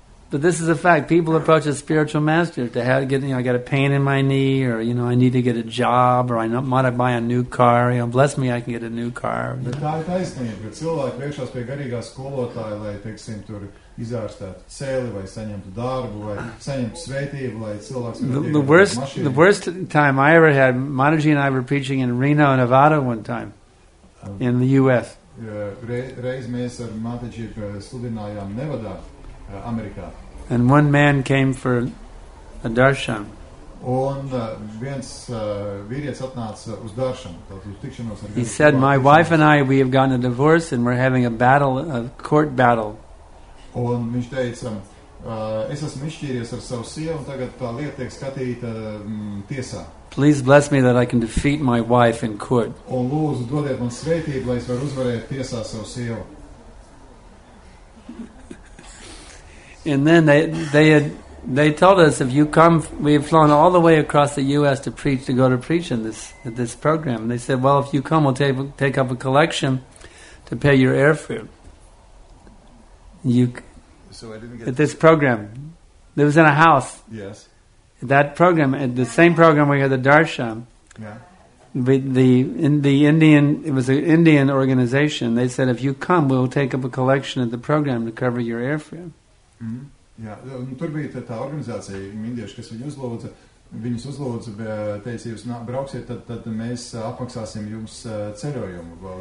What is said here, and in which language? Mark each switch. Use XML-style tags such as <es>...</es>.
<en>But this is a fact. People approach a spiritual master to have, get, I got a pain in my knee, or, I need to get a job, or I want to buy a new car. Bless me, I can get a new car.</en> <lv>Tā ir taisnība, bet cilvēki vēršās pie garīgā skolotāja, lai, teiksim, tur izārstētu cēli, vai saņemtu darbu, vai saņemtu svētību, lai cilvēks var iegūt mašīnu.</lv> <en>The worst time I ever had, Mataji and I were preaching in Reno, Nevada one time, in the U.S.</en> <lv>Reiz mēs ar Mataji sludinājām Nevadā. Amerikā.</lv> <en>And one man came for a darshan.</en> <lv>Un viens vīrietis atnāca uz darshan, uz tikšanos ar.</lv> <en>He said, my wife and I, we have gotten a divorce and we're having a court battle.</en> <lv>Un viņš teica, es esmu izšķīries ar savu sievu un tagad tā lieta tiek skatīta tiesā.</lv> <en>Please bless me that I can defeat my wife in court.</en> <lv>Un lūdzu, dodiet man svētību, lai es varu uzvarēt tiesā savu sievu.</lv> <en>And then they told us, if you come, we have flown all the way across the U.S. to preach, to go to preach in this program. And they said, well, if you come, we'll take up a collection to pay your airfare. This program. It was in a house. Yes. That program, the same program we had, the Darshan. Yeah. It was an Indian organization. They said, if you come, we'll take up a collection at the program to cover your airfare. Mm-hmm.</en> <lv>Jā, tur bija tā organizācija indieši, kas viņu uzlūdza. Viņus uzlūdza, teica, jūs brauksiet, tad mēs apmaksāsim jums ceļojumu.</lv>